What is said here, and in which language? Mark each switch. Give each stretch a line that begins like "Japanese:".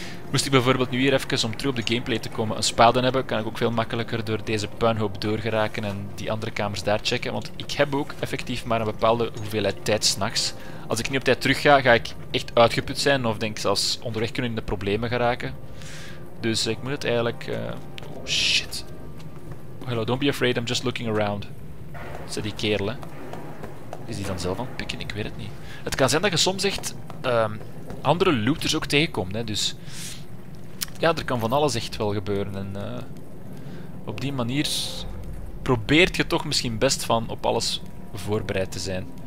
Dutch: Moest ik bijvoorbeeld nu hier even, om terug op de gameplay te komen, een spade hebben, kan ik ook veel makkelijker door deze puinhoop doorgeraken en die andere kamers daar checken. Want ik heb ook effectief maar een bepaalde hoeveelheid tijd 's nachts. Als ik niet op tijd terug ga, ga ik echt uitgeput zijn of denk ik zelfs onderweg kunnen in de problemen geraken. Dus ik moet het eigenlijk...
English: Oh shit. Hello, don't be afraid, I'm just looking around.
Dutch: Zeg die kerel, hè. Is die dan zelf aan het pikken? Ik weet het niet. Het kan zijn dat je soms echt andere looters ook tegenkomt, hè. Dus ja, er kan van alles echt wel gebeuren. En op die manier probeert je toch misschien best van op alles voorbereid te zijn.